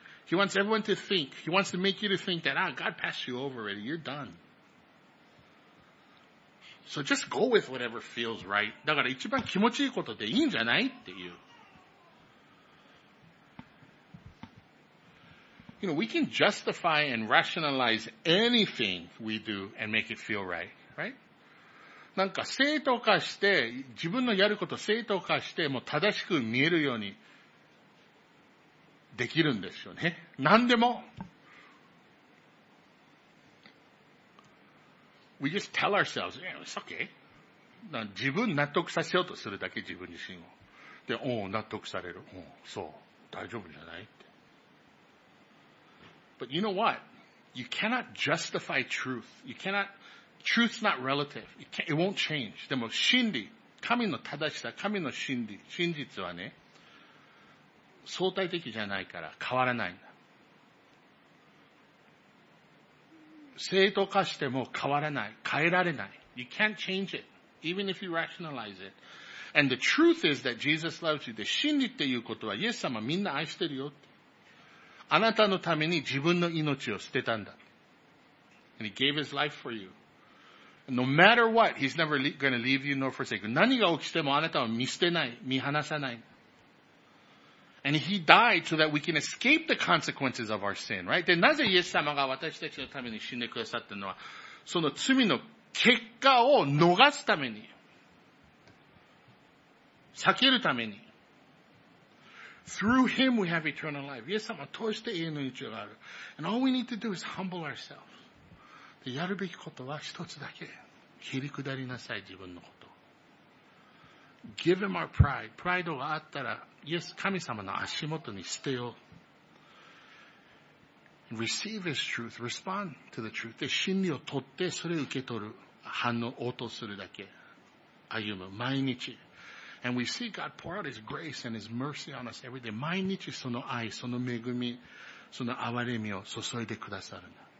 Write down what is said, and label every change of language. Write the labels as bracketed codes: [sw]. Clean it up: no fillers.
[en] He wants everyone to think. He wants to make you to think that, ah, God passed you over already. You're done. So just go with whatever feels right. [ja] だから一番気持ちいいことでいいんじゃないっていう。 [en] You know, we can justify and rationalize anything we do and make it feel right, right? [ja] なんか正当化して、自分のやることを正当化して、もう正しく見えるようにできるんですよね。何でも。 [en] We just tell ourselves, yeah, it's okay. [ja] な自分納得させようとするだけ、自分自身を。で、おう、納得される。おう、そう、大丈夫じゃないって。 [en] But you know what? You cannot justify truth. You cannot... Truth's not relative. It won't change. [ja] でも、真理、神の正しさ、神の真理、真実はね、相対的じゃないから変わらないんだ。正当化しても変わらない。変えられない。 [en] You can't change it, even if you rationalize it. And the truth is that Jesus loves you. [ja] で、真理っていうことは、イエス様みんな愛してるよって。あなたのために自分の命を捨てたんだ。 [en] And he gave his life for you. No matter what, he's never going to leave you nor forsake you. [ja] 何が起きてもあなたは見捨てない、見放さない。 [en] And he died so that we can escape the consequences of our sin, right? [ja] で、なぜイエス様が私たちのために死んでくださったのは、その罪の結果を逃すために、避けるために。 [en] Through him we have eternal life. [ja] イエス様通して永遠の命がある。 [en] And all we need to do is humble ourselves. [ja] やるべきことは一つだけ。切り下りなさい、自分のこと。 [en] Give him our pride. [ja] プライドがあったら、イエス、神様の足元に捨てよう。 [en] Receive his truth. Respond to the truth. [ja] で、真理を取って、それを受け取る。反応、応答するだけ。歩む。毎日。 [en] And we see God pour out his grace and his mercy on us every day. [ja] 毎日その愛、その恵み、その憐れみを注いでくださるんだ。